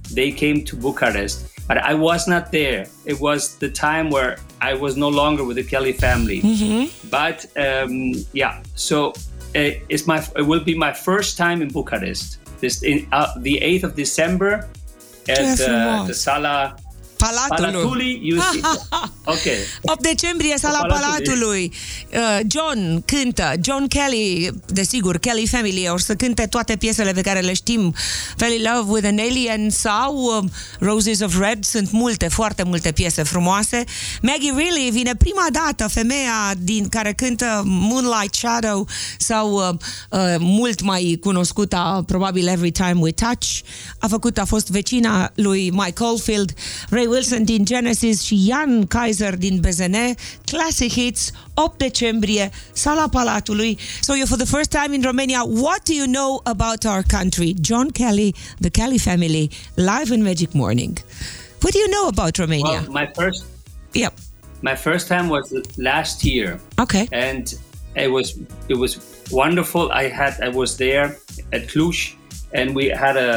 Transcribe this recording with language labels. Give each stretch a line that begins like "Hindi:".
English: They came to Bucharest, but I was not there. It was the time where I was no longer with the Kelly family. Mm-hmm. But so it will be my first time in Bucharest. This in the 8th of December at the Sala Palatului. Okay.
Romanian: 8 decembrie, Sala Palatului. John cântă, John Kelly, desigur, Kelly Family, o să cânte toate piesele pe care le știm. Fell in Love with an Alien sau Roses of Red, sunt multe, foarte multe piese frumoase. Maggie Reilly vine prima dată, femeia din care cântă Moonlight Shadow sau mult mai cunoscută, probabil Every Time We Touch, a fost vecina lui Mike Oldfield, Ray Wilson din Genesis și Jan Kaiser din BZN, Classic Hits, 8 decembrie, Sala Palatului.
English: So you're for the first time in Romania. What do you know about our country? John Kelly, the Kelly Family, live in Magic Morning. What do you know about Romania? Well, my first time was last year. Okay. And it was wonderful. I was there at Cluj, and we had